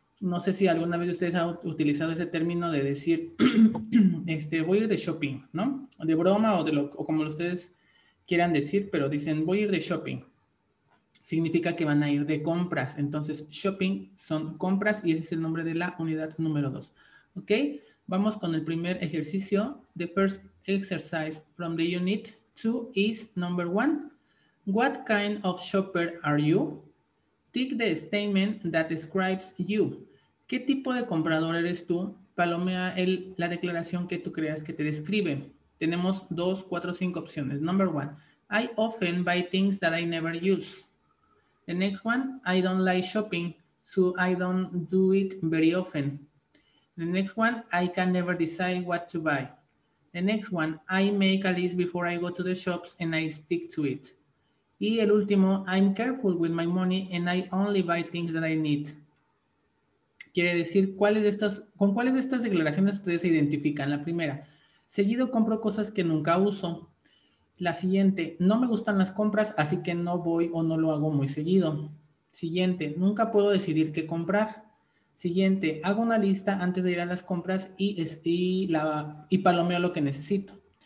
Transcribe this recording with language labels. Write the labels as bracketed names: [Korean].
[Spanish] No sé si alguna vez ustedes han utilizado ese término de decir, voy a ir de shopping, ¿no? De broma o o como ustedes quieran decir, pero dicen, voy a ir de shopping. Significa que van a ir de compras. Entonces, shopping son compras y ese es el nombre de la unidad número 2. ¿Ok? Vamos con el primer ejercicio. [English] The first exercise from the unit 2 is number 1. What kind of shopper are you? Tick the statement that describes you. [Spanish] ¿Qué tipo de comprador eres tú? Palomea la declaración que tú creas que te describe. Tenemos dos, cuatro, cinco opciones. [English] Number one, I often buy things that I never use. The next one, I don't like shopping, so I don't do it very often. The next one, I can never decide what to buy. The next one, I make a list before I go to the shops and I stick to it. [Spanish] Y el último, [English] I'm careful with my money and I only buy things that I need. [Spanish] Quiere decir, ¿con cuáles de estas declaraciones ustedes se identifican? La primera, seguido compro cosas que nunca uso. La siguiente, no me gustan las compras, así que no voy o no lo hago muy seguido. Siguiente, nunca puedo decidir qué comprar. Siguiente, hago una lista antes de ir a las compras y palomeo lo que necesito.